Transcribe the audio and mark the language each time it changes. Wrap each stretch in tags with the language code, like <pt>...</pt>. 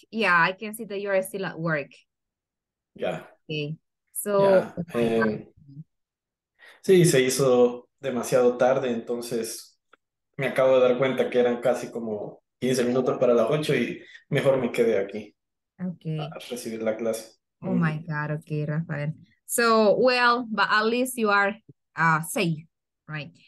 <en>Yeah, I can see that you're still at work. Okay. So, Yeah.</en> <es>Sí, se hizo demasiado tarde, entonces me acabo de dar cuenta que eran casi como 15 minutos para las 8 y mejor me quedé aquí a</es> <en>okay.</en> <es>recibir la clase.</es> <en>Oh my God. Okay, Rafael. So, well, but at least you are safe, right?</en>